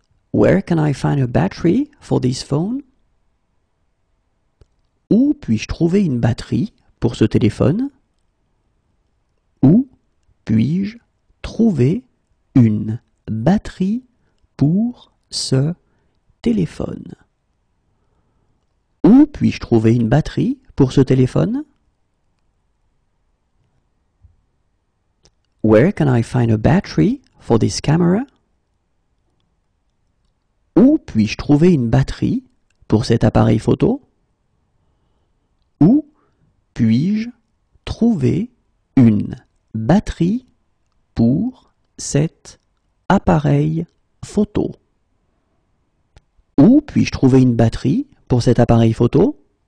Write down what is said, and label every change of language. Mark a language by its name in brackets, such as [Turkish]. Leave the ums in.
[English] Where can I find a battery for this phone? [French] Où puis-je trouver une batterie pour ce téléphone? Où puis-je trouver une batterie pour ce téléphone? Où puis-je trouver une batterie pour ce téléphone? [English] Where can I find a battery for this camera? [French] puis-je trouver une batterie pour cet appareil photo Où puis-je trouver une batterie pour cet appareil photo Où puis-je trouver une batterie pour cet appareil photo